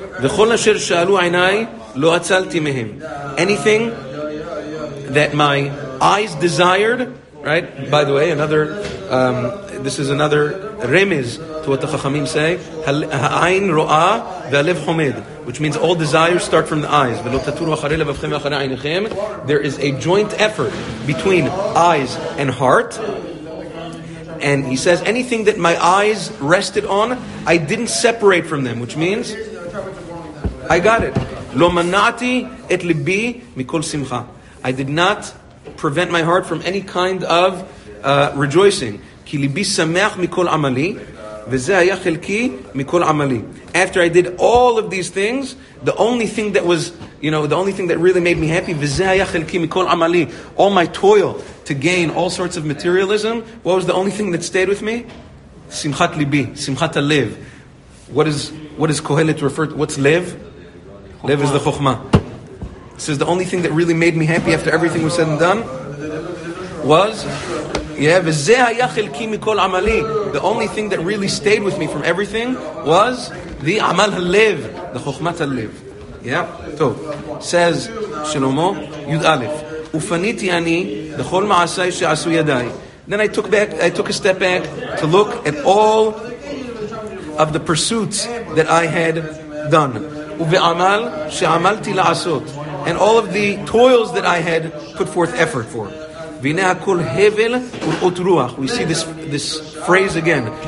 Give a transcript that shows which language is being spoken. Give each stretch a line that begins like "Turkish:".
Hebrew: וכל אשר שאלו עיניי לא אצלתי מהם.
English: Anything that my eyes desired, right? By the way, another this is another remez to what the chachamim say,
Hebrew: העין רואה והלב חומד,
English: which means all desires start from the eyes.
Hebrew: ולא תתורו אחרי לבבכם ואחרי עיניכם.
English: There is a joint effort between eyes and heart. And he says, anything that my eyes rested on, I didn't separate from them, which means I got it.
Hebrew: Lo manati et libi mikol simcha.
English: I did not prevent my heart from any kind of rejoicing.
Hebrew: Ki libi sameach mikol amali, veze haya chelki mikol amali.
English: After I did all of these things, the only thing that was, you know, the only thing that really made me happy,
Hebrew: veze haya chelki mikol amali,
English: all my toil to gain all sorts of materialism, what was the only thing that stayed with me?
Hebrew: Simchat libi, simchat alev.
English: What is Kohelet refer to? What's lev? Lev is the chokhmah. It says the only thing that really made me happy after everything was said and done was, yeah,
Hebrew: וזה היה חלקי מכל עמלי.
English: The only thing that really stayed with me from everything was the עמל הלב, the chokhmat הלב. Yeah, טוב.
Hebrew: Says שלמה, יוד אלף, ופניתי אני לכל מעשי שעשו ידיי.
English: Then I took a step back to look at all of the pursuits that I had done.
Hebrew: ובעמל שעמלתי לעשות,
English: and all of the toils that I had put forth effort for.
Hebrew: והנה הכל הבל ואות רוח.
English: We see this phrase again.